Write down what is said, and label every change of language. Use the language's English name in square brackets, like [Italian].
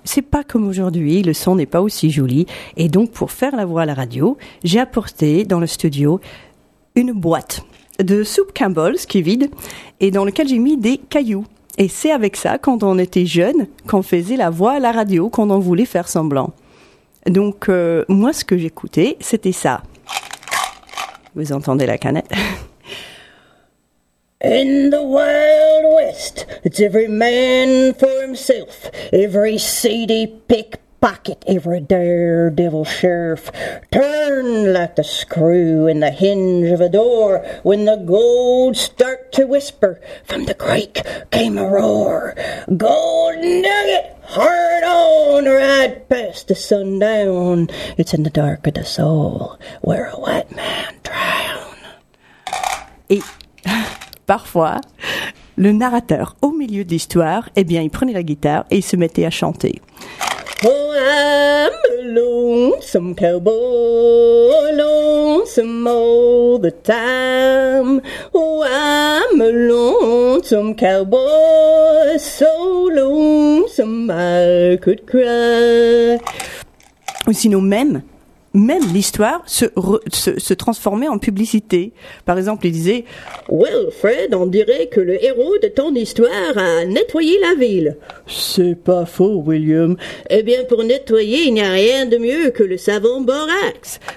[French] C'est pas comme aujourd'hui, le son n'est pas aussi joli. Et donc, pour faire la voix à la radio, j'ai apporté dans le studio une boîte de soupe Campbell's qui est vide et dans laquelle j'ai mis des cailloux. Et c'est avec ça, quand on était jeune, qu'on faisait la voix à la radio, quand on voulait faire semblant. Donc, moi, ce que j'écoutais, c'était ça. Vous entendez la canette? [English] In the Wild West, it's every man for himself, every seedy pickpocket, every daredevil sheriff. Turn like the screw in the hinge of a door, when the gold start to whisper, from the creek came a roar. Gold nugget! Hard on, right past the sundown. It's in the dark of the soul, where a white man drown. [French] Et parfois, le narrateur, au milieu de l'histoire, eh bien, il prenait la guitare et il se mettait à chanter. [English] Oh, I'm a lonesome cowboy, lonesome all the time. Oh, I'm a lonesome cowboy, so lonesome I could cry. [French] Sinon, même l'histoire se transformait en publicité. Par exemple, il disait « Well, Fred, on dirait que le héros de ton histoire a nettoyé la ville. » « C'est pas faux, William. » « Eh bien, pour nettoyer, il n'y a rien de mieux que le savon borax. »